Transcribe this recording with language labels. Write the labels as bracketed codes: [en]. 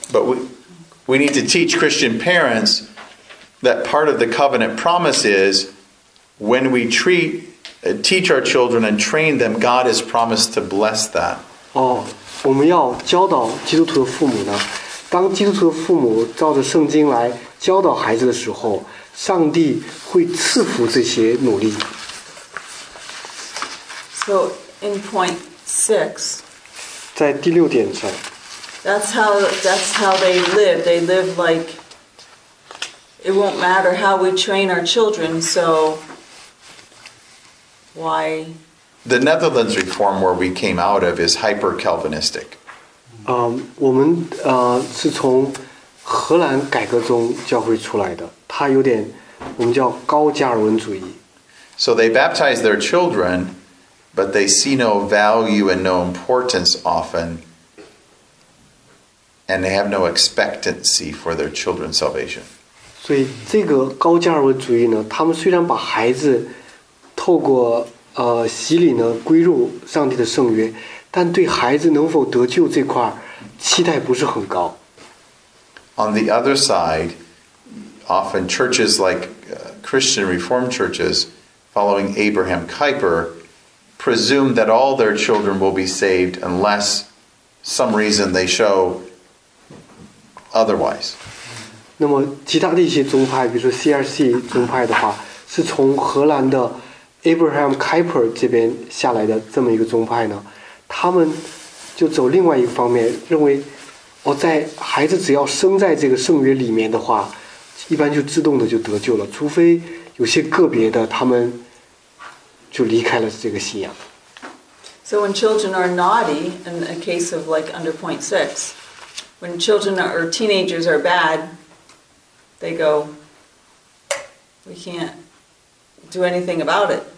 [en] But we need to teach Christian parents that part of the covenant promise is when we teach our children and train them, God has promised to bless that. Oh. [zh] 我们要教导基督徒的父母呢当基督徒的父母照着圣经来教导孩子的时候上帝会赐福这些努力 [en] So in point six [zh] 在第六点上 [en] That's how they live like it won't matter how we train our children so why The Netherlands reform where we came out of is hyper-Calvinistic. [zh] 我们是从荷兰改革中教会出来的。它有点我们叫高加尔文主义。 [en] So they baptize their children, but they see no value and no importance often, and they have no expectancy for their children's salvation. [zh] 所以这个高加尔文主义呢，他们虽然把孩子透过洗礼呢归入上帝的圣约但对孩子能否得救这块期待不是很高 [en] On the other side often churches like Christian Reformed churches following Abraham Kuyper presume that all their children will be saved unless some reason they show otherwise [zh] 那么其他的一些宗派比如说 CRC 宗派的话是从荷兰的Abraham Kuyper 这边下来的这么一个宗派呢他们就走另外一个方面认为哦，在孩子只要生在这个圣约里面的话一般就自动的就得救了除非有些个别的他们就离开了这个信仰 [en] So when children are naughty in a case of like under point six when children or teenagers are bad they go we can'tDo anything about it.